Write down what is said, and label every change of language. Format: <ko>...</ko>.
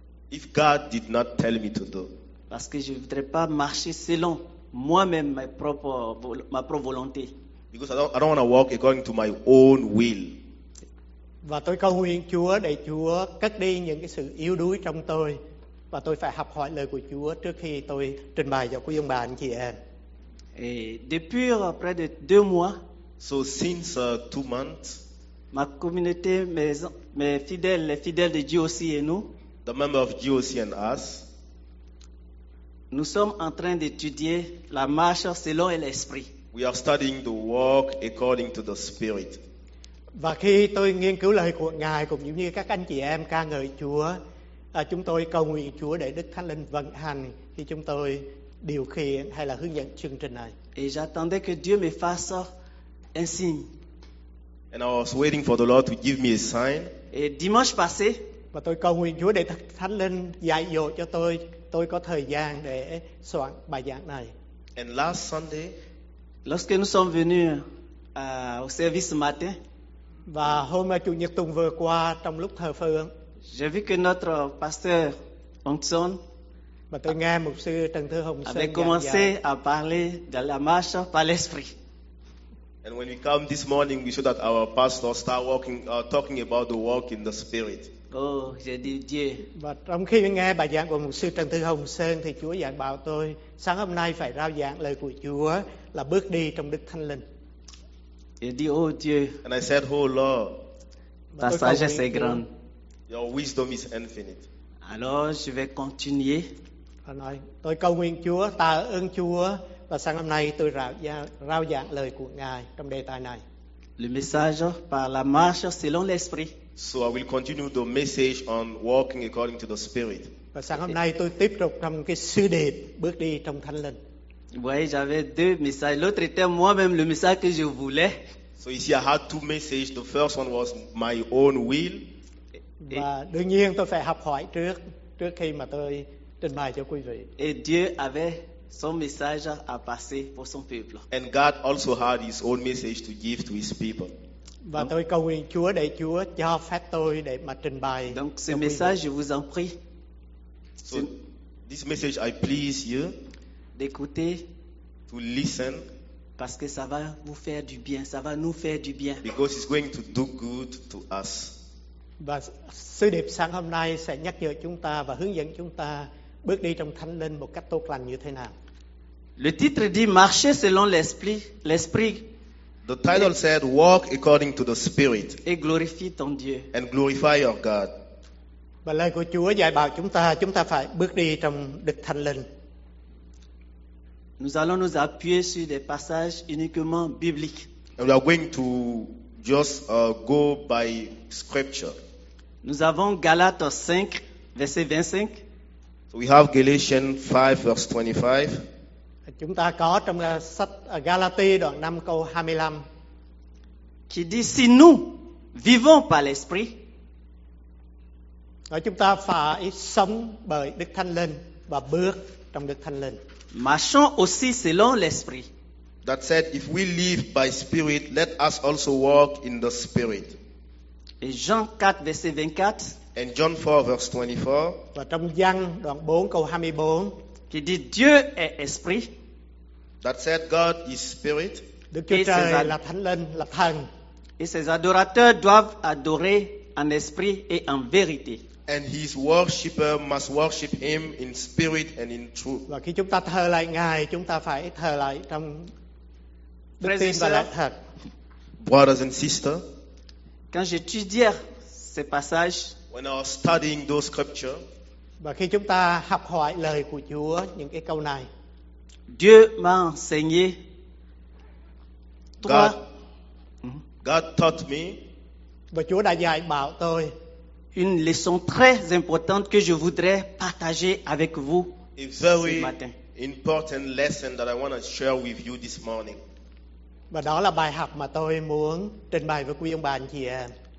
<en>If God did not tell me to do.</en> <fr>Parce que je ne voudrais pas marcher selon moi-même ma propre volonté.</fr> <en>Because I don't want to walk according to my own will.</en> <vi>Và tôi cầu nguyện Chúa để Chúa cất đi những cái sự yếu đuối trong tôi và tôi phải học hỏi lời của Chúa trước khi tôi trình bày cho quý ông bà anh chị em.</vi> <fr>Et depuis près de deux mois,</fr> <en>so since two months,</en> <fr>ma communauté, mes fidèles, les fidèles de GOC et nous,</fr> <en>the members of GOC and us,</en> <fr>nous sommes en train d'étudier la marche selon l'esprit.</fr> <en>We are studying the walk according to the spirit.</en> <vi>Và khi tôi nghiên cứu lời của Ngài cũng như các anh chị em ca ngợi Chúa, chúng tôi cầu nguyện Chúa để Đức Thánh Linh vận hành khi chúng tôi điều khiển hay là hướng dẫn chương trình này.</vi> <fr>Et j'attendais que Dieu me fasse un signe.</fr> <en>And I was waiting for the Lord to give me a sign.</en> <fr>Et dimanche passé,</fr> <vi>Và tôi cầu nguyện Chúa để Thánh Linh dạy dỗ cho tôi có thời gian để soạn bài giảng này.</vi> <en>And last Sunday,</en> <fr>lorsque nous sommes venus au service ce matin,</fr> <vi>và hôm Chủ nhật tuần vừa qua trong lúc thờ phượng,</vi> <fr>j'ai vu que notre pasteur Hồng Sơn,</fr> <vi>mà tôi nghe mục sư Trần Thư Hồng Sơn</vi> <fr>avait commencé à parler de la marche par l'esprit.</fr> <en>And when we come this morning, we saw that our pastor start talking about the walk in the spirit.</en> <fr>Oh, j'ai dit Dieu.</fr> <vi>Và trong khi nghe bài giảng của mục sư Trần Thư Hồng Sơn, thì Chúa dạy bảo tôi sáng hôm nay phải rao giảng lời của Chúa là bước đi trong Đức Thánh Linh.</vi> <fr>J'ai dit Oh Dieu.</fr> <en>And I said Oh Lord.</en> <fr>Ta sagesse est grande.</fr> <en>Your wisdom is infinite.</en> <fr>Alors je vais continuer.</fr> <vi>Tôi cầu nguyện Chúa, tạ ơn Chúa và sáng hôm nay tôi rao giảng lời của Ngài trong đề tài này.</vi> <fr>Le message par la marche selon l'esprit.</fr> <en>So I will continue the message on walking according to the Spirit.</en> <vi>Và sáng hôm nay tôi tiếp tục trong cái sứ điệp bước đi trong Thánh Linh.</vi> <fr>Oui, j'avais deux messages. L'autre était moi-même le message que je voulais.</fr> <en>So you see, I had two messages. The first one was my own will.</en> <vi>Và đương nhiên tôi phải học hỏi trước khi mà tôi trình bày cho quý vị.</vi> <fr>Et Dieu avait son message à passer pour son peuple.</fr> <en>And God also had his own message to give to his people.</en> <vi>Và tôi cầu nguyện Chúa để Chúa cho phép tôi để mà trình bày.</vi> <fr>Donc ce message, je vous en prie.</fr> <en>So this message, I please you.</en> <fr>D'écouter.</fr> <en>To listen.</en> <fr>Parce que ça va vous faire du bien, ça va nous faire du bien.</fr> <en>Because it's going to do good to us.</en> <vi>Và sứ điệp sáng hôm nay sẽ nhắc nhở chúng ta và hướng dẫn chúng ta bước đi trong Thánh Linh một cách tốt lành như thế nào.</vi> <fr>Le titre dit marcher selon l'esprit.</fr> <en>The title said walk according to the spirit.</en> <fr>Et glorifie ton Dieu.</fr> <en>And glorify your God.</en> <vi>Và lời của Chúa dạy bảo chúng ta phải bước đi trong Đức Thánh Linh.</vi> <fr>Nous allons nous appuyer sur des passages uniquement bibliques.</fr> <en>And we are going to just go by scripture.</en> <fr>Nous avons Galates 5 verset 25.</fr> <en>We have Galatians 5 verse 25.</en> <vi>Chúng ta có trong sách Galatie đoạn 5 câu 25.</vi> <fr>Qui dit si nous vivons par l'esprit.</fr> <vi>Nói chúng ta phải sống bởi Đức Thánh Linh và bước trong Đức Thánh Linh.</vi> <fr>Marchons aussi selon l'esprit.</fr> <en>That said if we live by spirit let us also walk in the spirit.</en> <fr>Et Jean 4 verset 24.</fr> <en>And John 4 verse 24.</en> <vi>Và trong Giăng đoạn 4 câu 24.</vi> <fr>Qui dit Dieu est esprit.</fr> <en>That said God is spirit.</en> <vi>Đức Chúa Trời là Thánh Linh, là Thần.</vi> <fr>Et ses adorateurs doivent adorer en esprit et en vérité.</fr> <en>And his worshipper must worship him in spirit and in truth.</en> <vi>Và khi chúng ta thờ lại Ngài, chúng ta phải thờ lại trong đức tin và lẽ thật.</vi> <en>Brothers and sisters.</en> <fr>Quand j'étudie ces passages.</fr> <en>When I was studying those scriptures,</en> <vi>và khi chúng ta học hỏi lời của Chúa những cái câu này,</vi> <fr>Dieu m'a enseigné.</fr> <en>God taught me.</en> <vi>Và Chúa đã dạy bảo tôi</vi> <fr>une leçon très importante que je voudrais partager avec vous ce matin.</fr> <en>Important lesson that I want to share with you this morning.</en> <vi>Và đó là bài học mà tôi muốn trình bày với quý ông bà anh chị em.</vi>